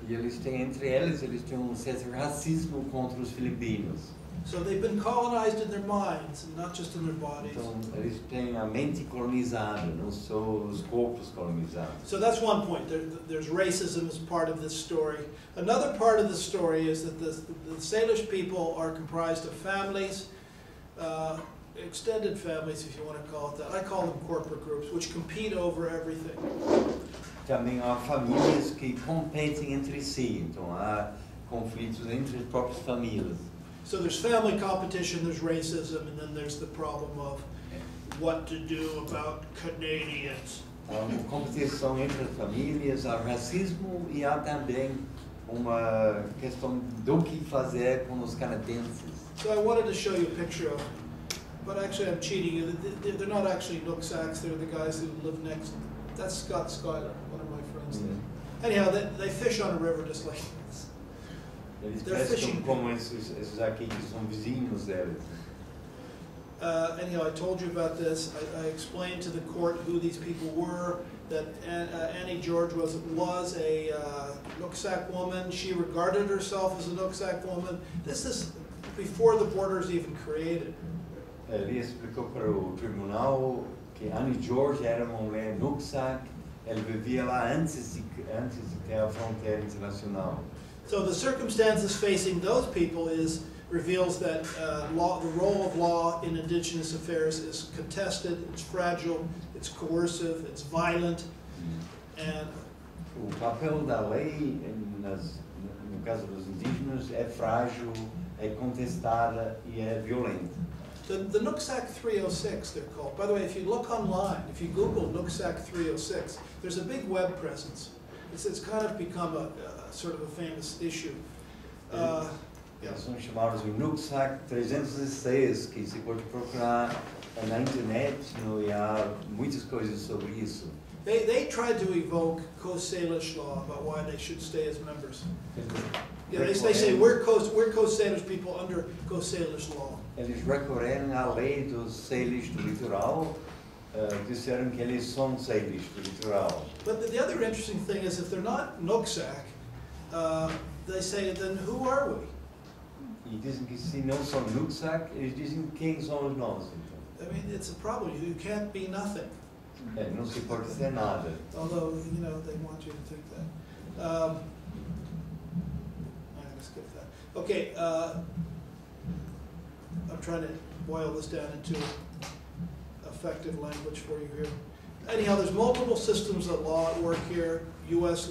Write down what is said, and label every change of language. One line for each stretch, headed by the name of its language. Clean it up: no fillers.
Portuguese: E eles têm entre eles têm certo racismo contra os filipinos.
English: So they've been colonized in their minds, and not just in their bodies.
Portuguese: Então, eles têm a mente colonizada, não só os corpos colonizados.
English: So that's one point. There's racism as part of this story. Another part of the story is that the Salish people are comprised of families, extended families, if you want to call it that. I call them corporate groups, which compete over everything.
Portuguese: Também há famílias que competem entre si. Então há conflitos entre as próprias famílias.
English: So there's family competition, there's racism, and then there's the problem of what to do about Canadians.
Portuguese: Competição entre famílias, há racismo e há também uma questão do que fazer com os canadenses.
English: So I wanted to show you a picture of, but actually I'm cheating you. They're not actually Nooksacks, they're the guys who live next. That's Scott Skyler, one of my friends there. Anyhow, they fish on a river just like this.
Portuguese: Eles pescam como esses aqui que são vizinhos deles.
English: Anyhow, I told you about this. I explained to the court who these people were. That Annie George was a Nooksack woman. She regarded herself as a Nooksack woman. This is before the borders even created.
Portuguese: Ele explicou para o tribunal que Annie George era uma mulher Nooksack. Ela vivia lá antes de ter a fronteira internacional.
English: So the circumstances facing those people reveals that the role of law in indigenous affairs is contested, it's fragile, it's coercive, it's violent, and
Portuguese: o papel da lei no caso dos indígenas é frágil, é contestada e é violenta.
English: The Nooksack 306, they're called. By the way, if you look online, if you Google Nooksack 306, there's a big web presence. It's kind of become a famous issue.
Portuguese: São chamados de Nooksack 306, que se pode procurar na internet, e há muitas coisas sobre isso.
English: They tried to evoke Coast Salish law about why they should stay as members. Yeah, they say we're Coast Salish people under Coast Salish law.
Portuguese: Eles recorreram à lei dos Salish do litoral. Disseram que eles são Salish do litoral.
English: But the other interesting thing is, if they're not Nooksack, they say, then who are we?
Portuguese: E dizem que se não são Nooksack, eles dizem quem somos nós, então.
English: I mean, it's a problem. You can't be nothing.
Portuguese: É, não se pode ser nada.
English: Although, you know, they want you to think that. I'm going to skip that. Okay, I'm trying to boil this down into effective language for you here. Anyhow, there's multiple systems of law at work here. U.S.